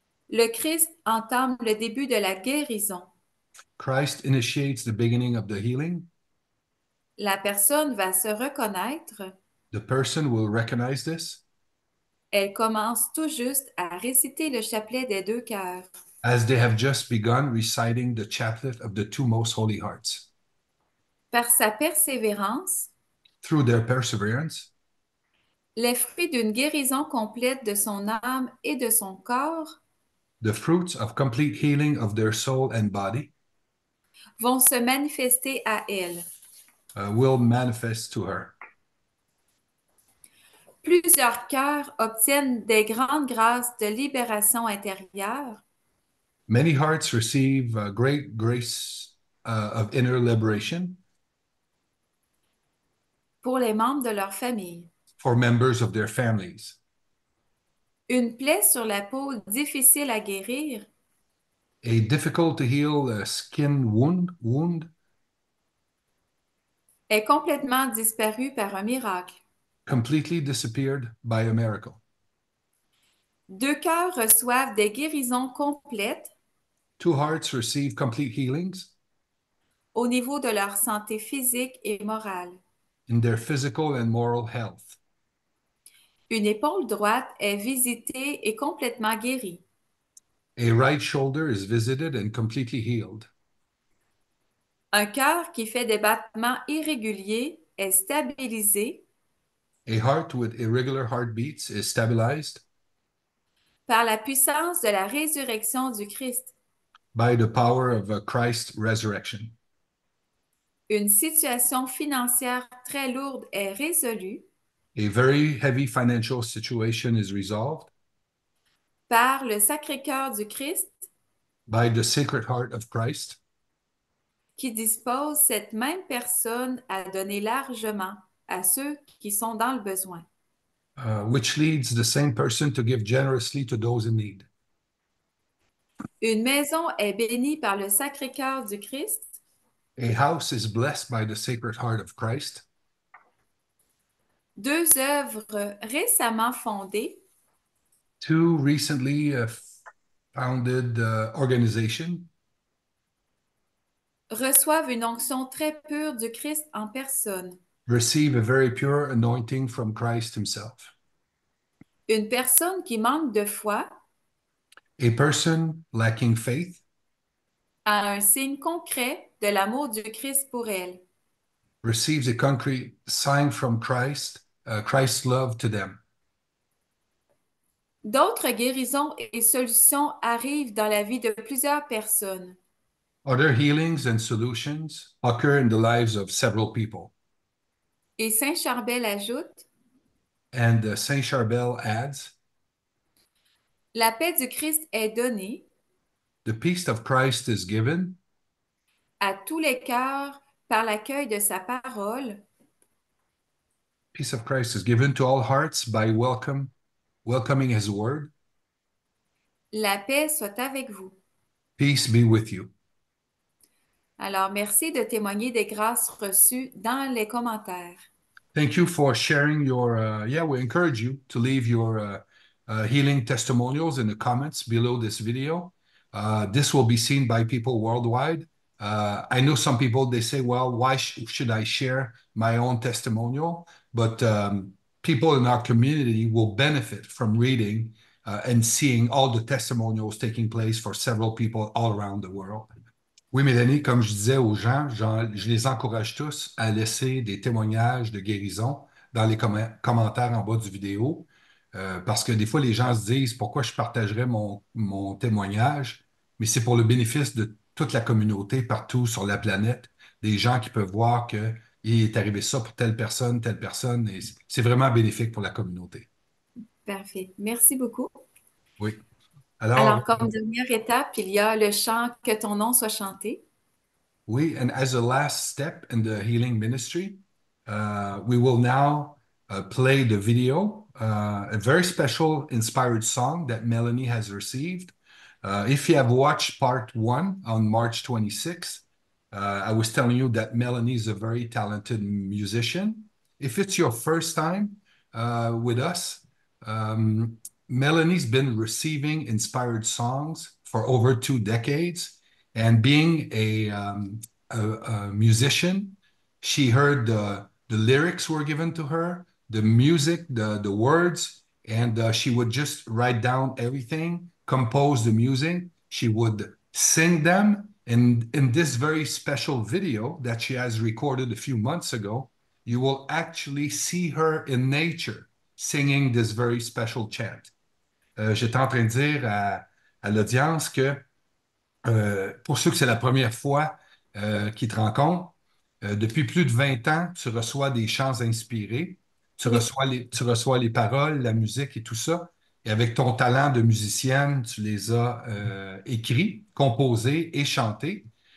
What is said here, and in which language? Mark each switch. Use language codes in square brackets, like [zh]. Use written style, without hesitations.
[fr] Le Christ entame le début de la guérison. [en] Christ initiates the beginning of the healing. [fr] La personne va se reconnaître. [en] The person will recognize this. [fr] Elle commence tout juste à réciter le chapelet des deux cœurs. [en] As they have just begun reciting the chaplet of the two most holy hearts. [fr] Par sa persévérance, [en] through their perseverance, [fr] les fruits d'une guérison complète de son âme et de son corps, [en] the fruits of complete healing of their soul and body, [fr] vont se manifester à elle. [en] Will manifest to her. [fr] Plusieurs cœurs obtiennent des grandes grâces de libération intérieure. [en] Many hearts receive a great grace of inner liberation. [fr] Pour les membres de leur famille. [en] For members of their families. [fr] Une plaie sur la peau difficile à guérir. [en] A difficult to heal a skin wound. [fr] Est complètement disparue par un miracle. [en] Completely disappeared by a miracle. [fr] Deux cœurs reçoivent des guérisons complètes. [en] Two hearts receive complete healings. [fr] Au niveau de leur santé physique et morale. [en] In their physical and moral health. [fr] Une épaule droite est visitée et complètement guérie. [en] A right shoulder is visited and completely healed. [fr] Un cœur qui fait des battements irréguliers est stabilisé. [en] A heart with irregular heartbeats is stabilized [fr] par la puissance de la résurrection du Christ. [en] By the power of a Christ's resurrection. [fr] Une situation financière très lourde est résolue. [en] A very heavy financial situation is resolved [fr] par le Sacré-Cœur du Christ, [en] by the Sacred Heart of Christ, [fr] qui dispose cette même personne à donner largement à ceux qui sont dans le besoin. [en] Which leads the same person to give generously to those in need. [fr] Une maison est bénie par le Sacré-Cœur du Christ. [en] A house is blessed by the Sacred Heart of Christ. [fr] Deux œuvres récemment fondées. [en] Two recently Founded organization. [fr] Reçoivent une onction très pure du Christ en personne. [en] Receive a very pure anointing from Christ himself. [fr] Une personne qui manque de foi. [en] A person lacking faith. [fr] A un signe concret de l'amour du Christ pour elle. [en] Receives a concrete sign from Christ, Christ's love to them. [fr] D'autres guérisons et solutions arrivent dans la vie de plusieurs personnes. [en] Other healings and solutions occur in the lives of several people. [fr] Et Saint Charbel ajoute, [en] and Saint Charbel adds, [fr] la paix du Christ est donnée [en] the peace of Christ is given [fr] à tous les cœurs par l'accueil de sa parole. [en] Peace of Christ is given to all hearts by welcoming his word. [fr] La paix soit avec vous. [en] Peace be with you. [fr] Alors, merci de témoigner des grâces reçues dans les commentaires. [en] Thank you for sharing your, we encourage you to leave your healing testimonials in the comments below this video. This will be seen by people worldwide. I know some people, they say, well, why should I share my own testimonial? But people in our community will benefit from reading and seeing all the testimonials taking place for several people all around the world. [fr] Oui, Mélanie, comme je disais aux gens, je les encourage tous à laisser des témoignages de guérison dans les commentaires en bas du vidéo. Parce que des fois, les gens se disent, pourquoi je partagerais mon témoignage? Mais c'est pour le bénéfice de toute la communauté partout sur la planète, des gens qui peuvent voir qu'il est arrivé ça pour telle personne, et c'est vraiment bénéfique pour la communauté. Parfait. Merci beaucoup. Oui. Alors, alors, comme dernière étape, il y a le chant « Que ton nom soit chanté ». [en] Oui, and as a last step in the healing ministry, we will now play the video, a very special inspired song that Melanie has received. If you have watched part one on March 26th, I was telling you that Melanie is a very talented musician. If it's your first time with us, Melanie's been receiving inspired songs for over two decades. And being a musician, she heard the lyrics were given to her, the music, the words, and she would just write down everything, compose the music. She would sing them. And in this very special video that she has recorded a few months ago, you will actually see her in nature singing this very special chant. [fr] J'étais en train de dire à l'audience que pour ceux que c'est la première fois qu'ils te rencontrent, depuis plus de 20 ans, tu reçois des chants inspirés. Tu reçois les paroles, la musique et tout ça. Et avec ton talent de musicienne, tu les as écrits, composés et chantés.